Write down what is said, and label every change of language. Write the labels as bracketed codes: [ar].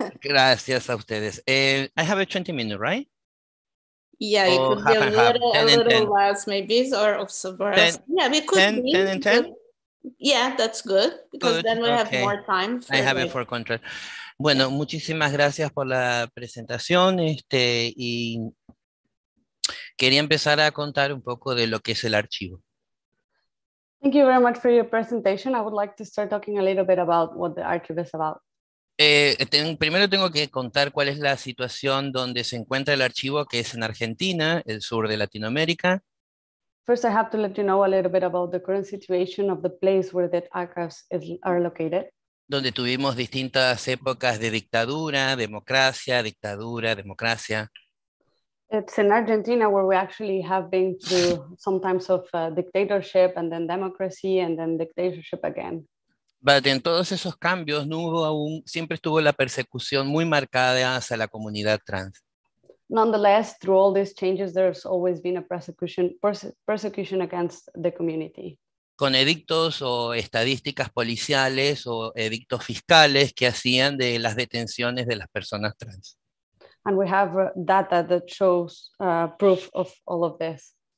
[es] Gracias a ustedes. [en] I have a 20 minute, right? Yeah, it could be a little less maybe, or of several. Yeah, we could 10, be. 10 and 10? Yeah, that's good, because then we have more time. I have it for contract. [es] Bueno, muchísimas gracias por la presentación. Y quería empezar a contar un poco de lo que es el archivo. [en] Thank you very much for your presentation. I would like to start talking a little bit about what the archive is about. [es] Primero tengo que contar cuál es la situación donde se encuentra el archivo, que es en Argentina, el sur de Latinoamérica. [en] First, I have to let you know a little bit about the current situation of the place where the archives are located. [es] Donde tuvimos distintas épocas de dictadura, democracia, dictadura, democracia. [en] It's in Argentina where we actually have been through some times of dictatorship and then democracy and then dictatorship again. But in [es] todos esos cambios, no hubo aún, siempre estuvo la persecución muy marcada hacia la comunidad trans. [en] Nonetheless, through all these changes, there's always been a persecution against the community. [es] Con edictos o estadísticas policiales o edictos fiscales que hacían de las detenciones de las personas trans. [en] And we have data that shows proof of all of this.